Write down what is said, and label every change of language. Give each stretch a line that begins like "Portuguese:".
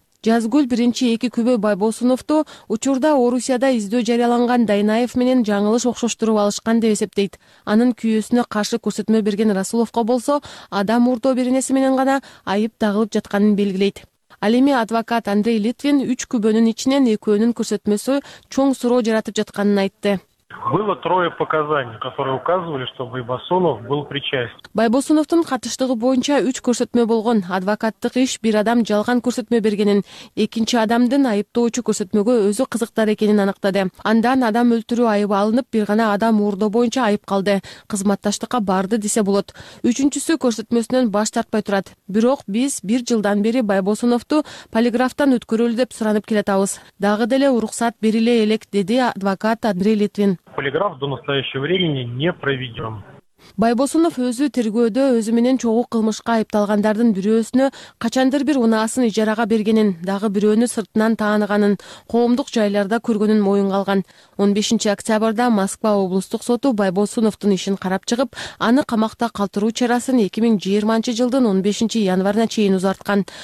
Kyrgyz: Жазгүл биринчи эки күбө Байбосуновду учурда Орусияда издөө жарыяланган Дайнаев менен жаңылыш окшоштуруп алышкан деп эсептейт. Анын күйөөсүнө каршы көрсөтмө берген Расуловко болсо адам уурдоо беренеси менен гана айып тагылып жатканын белгилейт. Ал эми адвокат Андрей Литвин 3 күбөнүн ичинен экөөнүн көрсөтмөсү чоң суроо жаратып жатканын айтты.
Russian: Было трое показаний, которые указывали, что Байбосунов был причастен.
Kyrgyz: Байбосуновтун катыштыгы боюнча 3 көрсөтмө болгон. Адвокаттык иш бир адам жалган көрсөтмө бергенин, экинчи адамдын айыптоочу көрсөтмөгө өзү кызыктар экенин аныктады. Андан адам өлтүрүү айыбы алынып, бир гана адам урдоо боюнча айып калды. Кызматташтыкка барды десе болот. Үчүнчүсү көрсөтмөсүнөн баш тартпай турат. Бирок биз бир жылдан бери Байбосуновту полиграфтан өткөрөлү деп суранып келатабыз. Дагы деле уруксат бериле элек, деди адвокат Андрей Литвин.
Russian: Полиграф до настоящего времени не проведен.
Kyrgyz: Байбосунов өзү тергөөдө өзү менен чогуу кылмышка айыпталгандардын бирөөсүнө качандыр бир унаасын ижарага бергенин, дагы бирөөнү сыртынан тааныганын, коомдук жайларда көргөнүн моюнга алган. 15 октябрда Москва облустук соту Байбосуновдун ишин карап чыгып, аны камакта калтыруу чарасын 2020 жылдын 15 январына чейин узарткан.